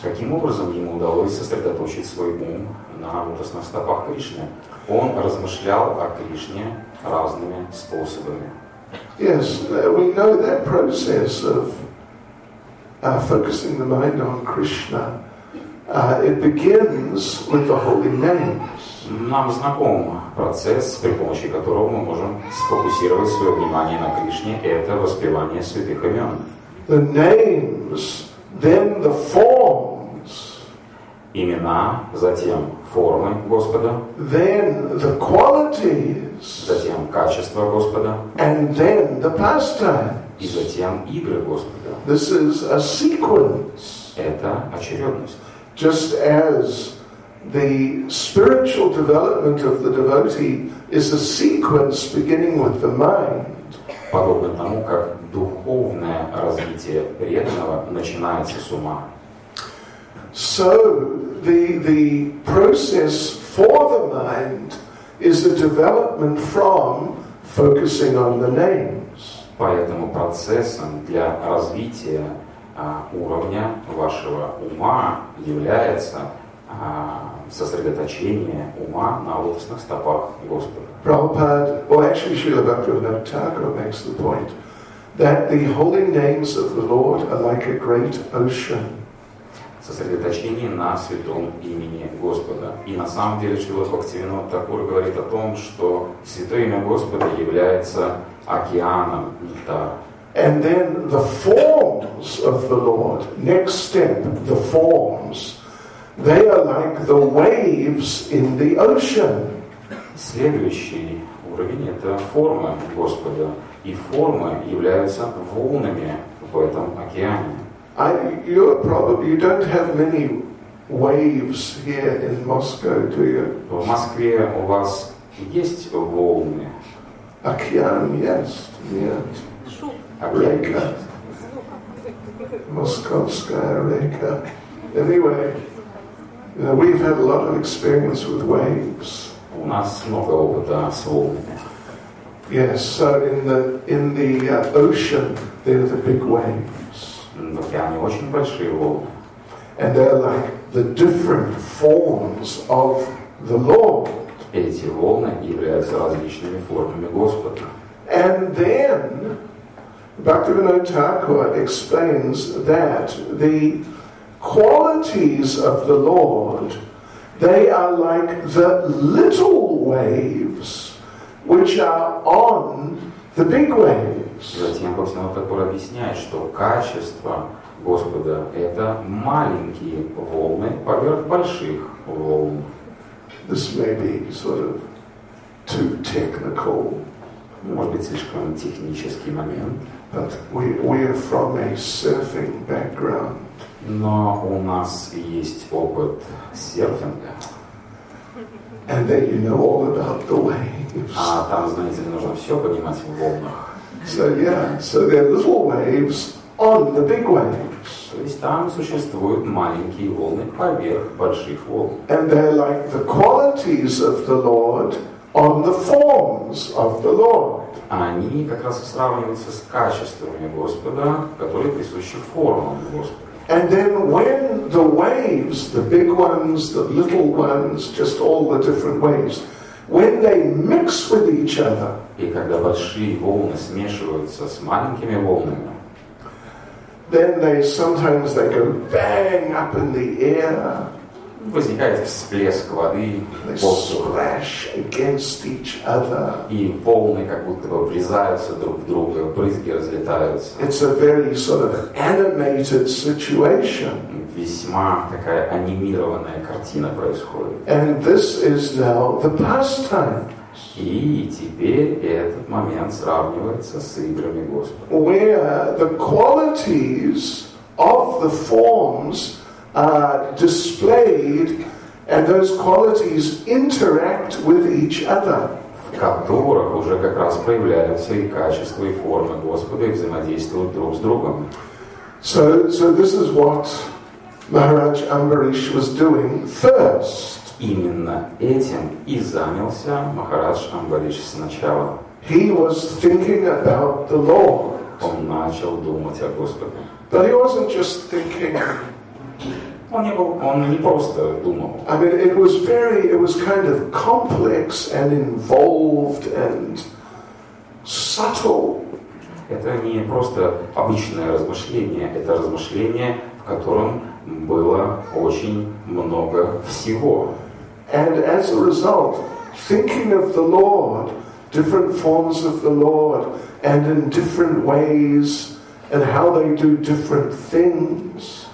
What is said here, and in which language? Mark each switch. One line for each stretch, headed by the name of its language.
Russian: Каким образом ему удалось сосредоточить свой ум на лотосных стопах Кришны? Он размышлял о Кришне разными способами.
English: Yes, we know that process of focusing the mind on Krishna. It begins with the holy names.
Russian: Нам знаком процесс, при помощи которого мы можем сфокусировать свое внимание на Кришне. Это воспевание святых имен.
English: The names, then the forms.
Russian: Имена, затем формы Господа.
English: Then the qualities.
Russian: Затем качества Господа.
English: And then the pastimes.
Russian: И затем игры Господа.
English: This is a sequence.
Russian: Это очередность.
English: Just as the spiritual development of the devotee is a sequence beginning with the mind.
Russian: Подобно тому, как духовное развитие преданного начинается с ума.
English: So the process for the mind is the development from focusing on the names.
Russian: Поэтому процессом для развития уровня вашего ума является сосредоточение ума на лотосных стопах Господа.
English: Prabhupada, well, actually Srila Bhaktivinoda Thakura makes the point that the holy names of the Lord are like a great ocean.
Russian: Сосредоточение на святом имени Господа. И на самом деле Шрила Бхактивинода Такур говорит о том, что святое имя Господа является океаном нектара.
English: And then the forms of the Lord, next step, the forms, they are like the waves in the ocean.
Russian: Следующий уровень – это формы Господа. И формы являются волнами в этом океане.
English: You don't have many waves here in Moscow, do you?
Russian: В Москве у вас есть волны? Океан,
English: yes,
Russian: нет. Река. Московская река.
English: Anyway, we've had a lot of experience with waves.
Russian: У нас много опыта с волнами.
English: Yes, so in the ocean, there are the big waves.
Russian: В океане очень большие волны.
English: And they're like the different forms of the Lord.
Russian: Эти волны являются различными формами Господа.
English: And then Bhaktivinoda Thakur explains that the qualities of the Lord, they are like the little waves, which are on the big waves.
Russian: Затем Бхактивинода Такур объясняет, что качества Господа – это маленькие волны поверх больших волн.
English: This may be sort of too technical.
Russian: Может быть, слишком технический момент.
English: But we are from a surfing background.
Russian: Но у нас есть опыт серфинга.
English: And then you know all about the waves.
Russian: А там, знаете, нужно все понимать в волнах.
English: So there are little waves on the big waves.
Russian: То есть там существуют маленькие волны поверх больших волн.
English: And they're like the qualities of the Lord on the forms of the Lord.
Russian: Они как раз сравниваются с качествами Господа, которые присущи формам Господа.
English: And then when the waves, the big ones, the little ones, just all the different waves, when they mix with each other,
Russian: и когда большие волны смешиваются с маленькими волнами,
English: then they sometimes go bang up in the air.
Russian: Возникает всплеск воды,
English: splash against each other.
Russian: И волны как будто бы врезаются друг в друга, брызги разлетаются.
English: It's a very sort of animated situation.
Russian: Весьма такая анимированная картина происходит.
English: And this is now the pastime.
Russian: И теперь этот момент сравнивается с играми Господа.
English: Where the qualities of the forms are displayed, and those qualities interact with each other.
Russian: В которых уже как раз проявляются и качества, и формы Господа, и взаимодействуют друг с другом.
English: So this is what Maharaj Ambarish was doing first.
Russian: Именно этим и занялся Махарадж Амбариш сначала.
English: He was thinking about the Lord.
Russian: Он начал думать о Господе.
English: But he wasn't just thinking.
Russian: Он не просто думал.
English: I mean, it was kind of complex and involved and subtle.
Russian: Это не просто обычное размышление, это размышление, в котором было очень много всего.
English: And as a result, thinking of the Lord, different forms of the Lord, and in different ways, and how they do different things.